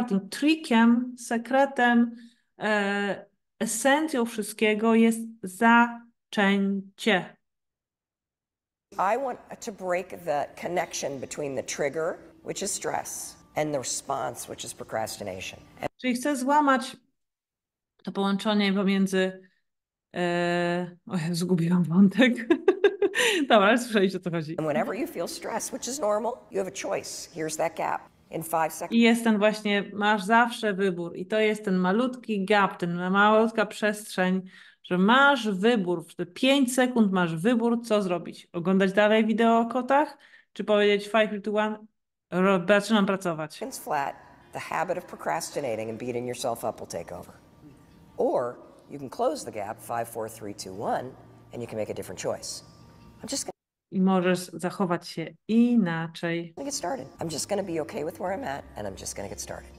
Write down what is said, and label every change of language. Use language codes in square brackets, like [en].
[pl] Trickiem, sekretem, esencją wszystkiego jest zaczęcie. [en] I want to break the connection between the trigger, which is stress, and the response, which is procrastination. [pl] Czyli chcę złamać to połączenie pomiędzy... ja zgubiłam wątek. Dobra, ale słyszeliście, o co chodzi. [en] And whenever you feel stress, which is normal, you have a choice. Here's that gap. In 5 seconds. [pl] I jest ten właśnie, masz zawsze wybór. I to jest ten malutki gap, ten malutka przestrzeń, że masz wybór, w te 5 sekund masz wybór, co zrobić. Oglądać dalej wideo o kotach, czy powiedzieć 5, 3, 2, 1, Zaczynam pracować. [en] It's flat. The habit of procrastinating and beating yourself up will take over. Or you can close the gap 5-4-3-2-1 and you can make a different choice. I'm just gonna... [pl] I możesz zachować się inaczej. [en] Get started. I'm just going to be okay with where I'm at and I'm just going to get started.